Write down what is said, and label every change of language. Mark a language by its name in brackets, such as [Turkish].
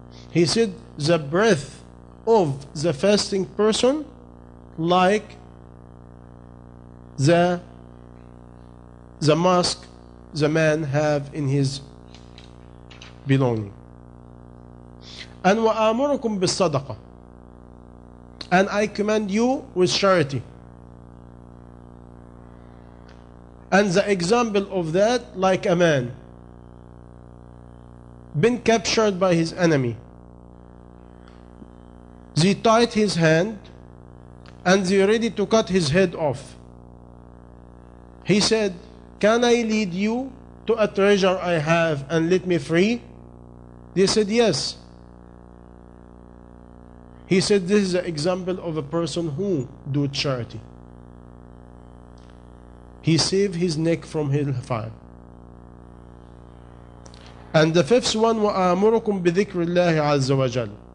[English] He said, the breath of the fasting person like the mask the man have in his belonging. [Arabic] And وَآمُرُكُمْ بِالصَّدَقَةِ. [English] And I command you with charity. And the example of that, like a man been captured by his enemy. They tied his hand and they ready to cut his head off. He said, can I lead you to a treasure I have and let me free? They said, yes. He said, this is an example of a person who do charity. He saved his neck from hellfire. And the fifth one, [Arabic] وَآمُرُكُمْ بِذِكْرِ اللَّهِ عَزَّ وَجَلْ.